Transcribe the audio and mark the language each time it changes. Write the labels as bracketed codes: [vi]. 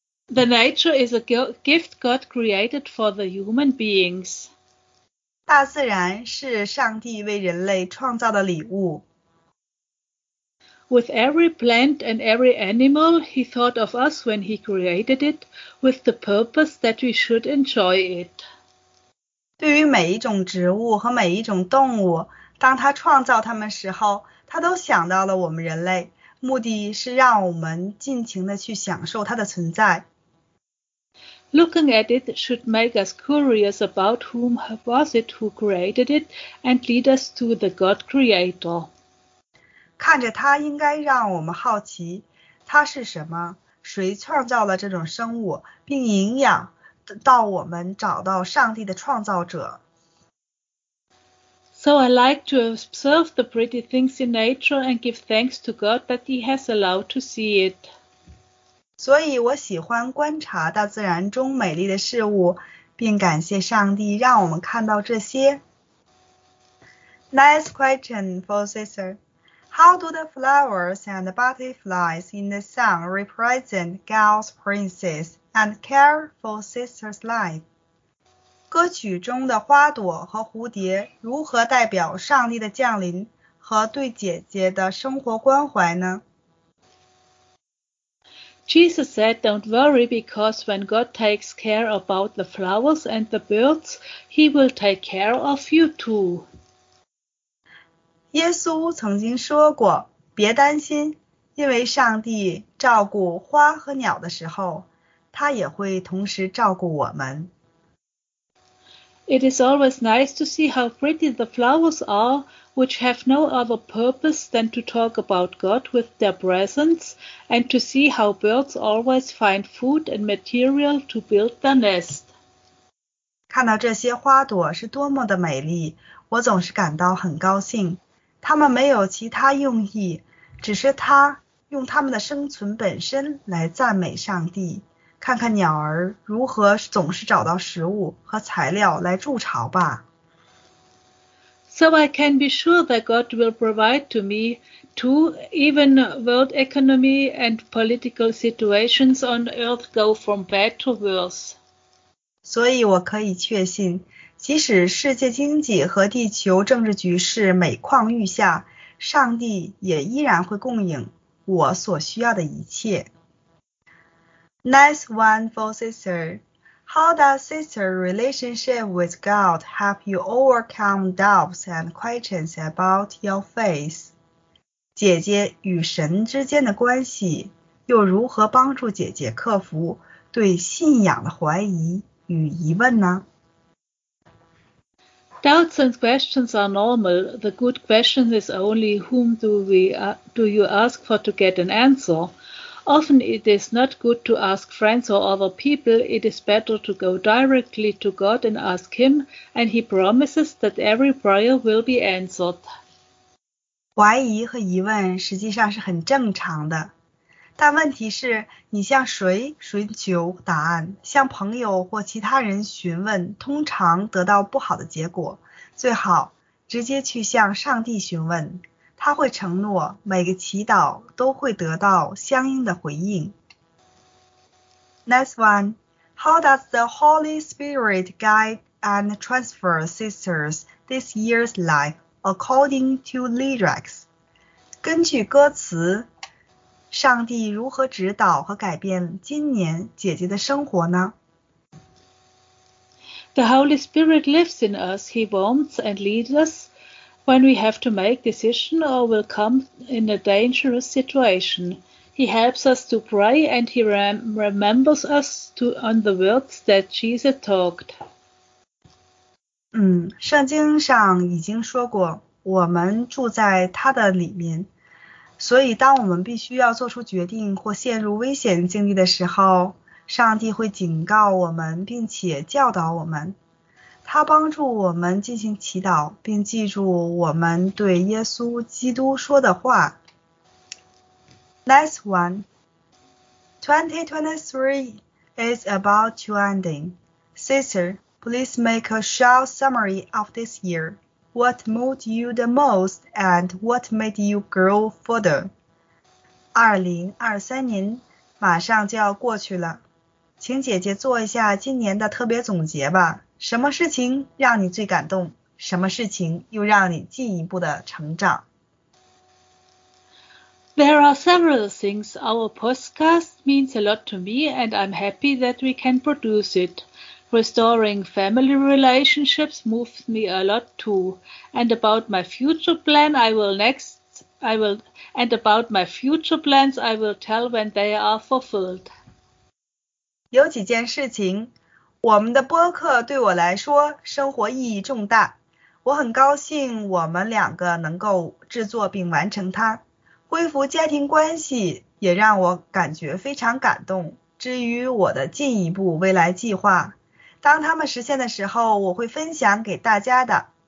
[en] The nature is a gift God created for the human beings. [zh] 大自然是上帝为人类创造的礼物。 [en] With every plant and every animal, he thought of us when he created it, with the purpose that we should enjoy it. [zh] 对于每一种植物和每一种动物，当他创造它们时候，他都想到了我们人类，目的是让我们尽情地去享受它的存在。 [en] Looking at it should make us curious about whom was it who created it and lead us to the God Creator. [zh] 看着它应该让我们好奇，它是什么？谁创造了这种生物，并营养到我们找到上帝的创造者？ [en] So I like to observe the pretty things in nature and give thanks to God that He has allowed to see it. [zh] 所以我喜欢观察大自然中美丽的事物，并感谢上帝让我们看到这些。 [en] Nice question for Sister. How do the flowers and the butterflies in the sun represent God's princess and care for sister's life? [zh] 歌曲中的花朵和蝴蝶如何代表上帝的降临和对姐姐的生活关怀呢？ [en] Jesus said, "Don't worry, because when God takes care about the flowers and the birds, He will take care of you too." [zh] 耶稣曾经说过，别担心，因为上帝照顾花和鸟的时候，他也会同时照顾我们。 [en] It is always nice to see how pretty the flowers are, which have no other purpose than to talk about God with their presence, and to see how birds always find food and material to build their nest. [zh] 看到这些花朵是多么的美丽，我总是感到很高兴。他们没有其他用意，只是他用他们的生存本身来赞美上帝。看看鸟儿如何总是找到食物和材料来筑巢吧。 [en] So I can be sure that God will provide to me too, even world economy and political situations on earth go from bad to worse. [zh] 所以我可以确信，即使世界经济和地球政治局势每况愈下，上帝也依然会供应我所需要的一切。 [en] Nice one for sister. How does sister relationship with God help you overcome doubts and questions about your faith? [zh] 姐姐与神之间的关系又如何帮助姐姐克服对信仰的怀疑与疑问呢？ [en] Doubts and questions are normal. The good question is only whom do you ask for to get an answer. Often it is not good to ask friends or other people. It is better to go directly to God and ask Him, and He promises that every prayer will be answered. [zh] 怀疑和疑问实际上是很正常的，但问题是你向谁寻求答案，向朋友或其他人询问，通常得到不好的结果。最好直接去向上帝询问，他会承诺每个祈祷都会得到相应的回应。 [en] Next one, how does the Holy Spirit guide and transfer sisters this year's life according to lyrics? [zh] 根据歌词，上帝如何指导和改变今年姐姐的生活呢？ [en] The Holy Spirit lives in us. He warms and leads us when we have to make decisions or will come in a dangerous situation. He helps us to pray and he remembers us on the words that Jesus talked. [zh] 圣经上已经说过，我们住在他的里面。所以当我们必须要做出决定或陷入危险境地的时候，上帝会警告我们并且教导我们，他帮助我们进行祈祷并记住我们对耶稣基督说的话。 [en] Next one, 2023 is about to ending. Sister, please make a short summary of this year. What moved you the most and what made you grow further? [zh] 2023年马上就要过去了，请姐姐做一下今年的特别总结吧，什么事情让你最感动，什么事情又让你进一步的成长。 [en] There are several things. Our podcast means a lot to me and I'm happy that we can produce it. Restoring family relationships moves me a lot too. And about my future plan, I will tell when they are fulfilled. [zh] 有几件事情，我们的播客对我来说生活意义重大，我很高兴我们两个能够制作并完成它，恢复家庭关系也让我感觉非常感动。至于我的进一步未来计划，当他们实现的时候，我会分享给大家的。